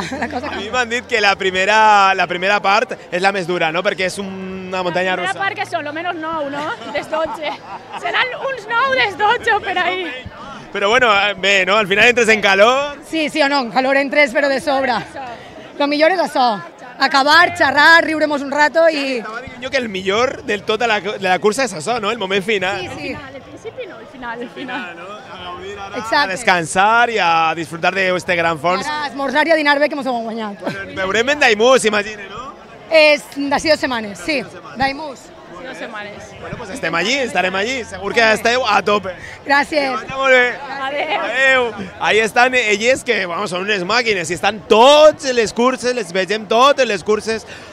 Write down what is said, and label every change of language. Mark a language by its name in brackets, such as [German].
[Catalan] A mi m'han dit que la primera part és la més dura, no? Perquè és una muntanya russa. La primera part que són, almenys 9, no? Des 12. Seran uns 9 des 12 per ahí. Però bueno, bé, no? Al final entres en calor. Sí o no, en calor entres, però de sobre. Lo millor és això. Acabar, xerrar, [Spanish] riuremos un rato y... Estaba diciendo que el mejor de toda la cursa es eso, ¿no? El momento final. Sí, sí. El final. ¿No? A descansar y a disfrutar de este gran fons. [Catalan] Ara, esmorzar y a dinar bé, [Spanish] que nos hemos [Catalan] guanyado. Bueno, veurem en Daimús, imagine, ¿no? Es d'ací dos setmanes, sí. Daimús. D'ací dos setmanes. Bueno, pues estem allí, estarem allí. Segur que esteu a tope. Gràcies. Adéu. Ahí estan elles, que bueno, són unes màquines, i estan tots les curses, les vegem totes les curses.